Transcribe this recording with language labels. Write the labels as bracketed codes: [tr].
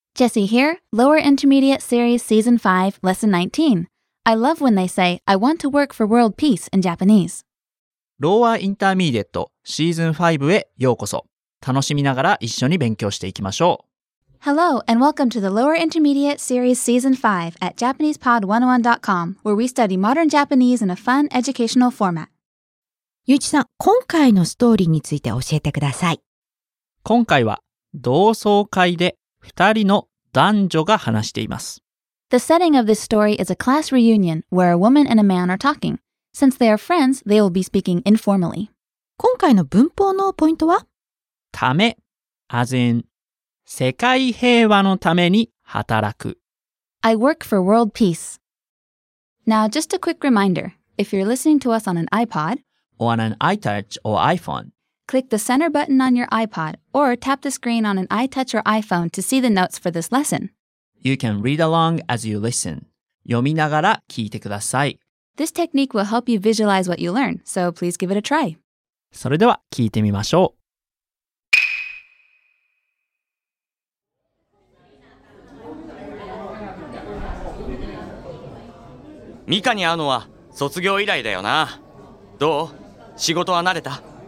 [en] Jessie here, Lower Intermediate Series Season 5, Lesson 19. I love when they say, I want to work for world peace in Japanese. [ja] Lower Intermediate Season 5 へようこそ。楽しみながら一緒に勉強していきましょう。 [en] Hello and welcome to the Lower Intermediate Series Season 5 at JapanesePod101.com, where we study modern Japanese in a fun educational format. [ja] ゆういちさん、今回のストーリーについて教えてください。今回は同窓会で二人の男女が話しています。 [en] The setting of this story is a class reunion where a woman and a man are talking. Since they are friends, they will be speaking informally. [ja] 今回の文法のポイントは？ため、 [en] as in、 [ja] 世界平和のために働く。 [en] I work for world peace. Now, just a quick reminder. If you're listening to us on an iPod, or on an iTouch or iPhone, Click the center button on your iPod or tap the screen on an iTouch or iPhone to see the notes for this lesson. You can read along as you listen. [ja] 読みながら聞いてください。 [en] This technique will help you visualize what you learn, so please give it a try. [ja] それでは聞いてみましょう。ミカに会うのは卒業以来だよな。どう？仕事は慣れた？